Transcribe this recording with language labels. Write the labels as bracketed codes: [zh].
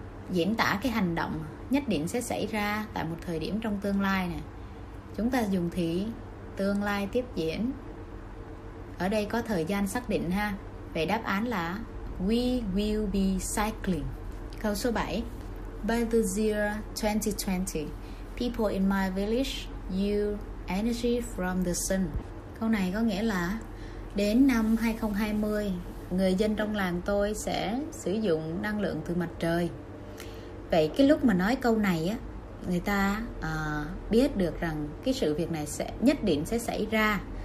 [vi] Diễn tả cái hành động nhất định sẽ xảy ra tại một thời điểm trong tương lai nè. Chúng ta dùng thì tương lai tiếp diễn. Ở đây có thời gian xác định ha. Vậy đáp án là [en] we will be cycling. [vi] Câu số 7. [en] By the year 2020, people in my village use energy from the sun. [vi] Câu này có nghĩa là đến năm 2020, người dân trong làng tôi sẽ sử dụng năng lượng từ mặt trời. Vậy cái lúc mà nói câu này á, người ta biết được rằng cái sự việc này sẽ nhất định sẽ xảy ra